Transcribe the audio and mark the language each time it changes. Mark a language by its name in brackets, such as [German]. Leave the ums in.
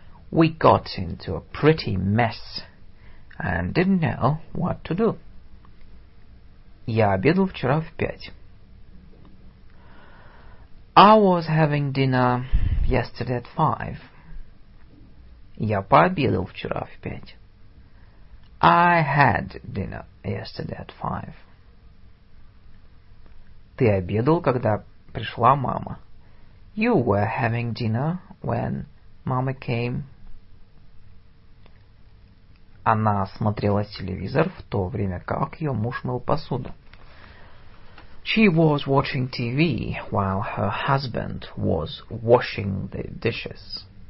[English] We got into a pretty mess and didn't know what to do. [Russian] Я обедал вчера в пять. [English] I was having dinner yesterday at five. [Russian] Я пообедал вчера в пять. [English] I had dinner yesterday at five. [Russian] Ты обедал, когда пришла мама. [English] You were having dinner when mama came. [Russian] Она смотрела телевизор в то время, как ее муж мыл посуду. [English] She was watching TV while her husband was washing the dishes.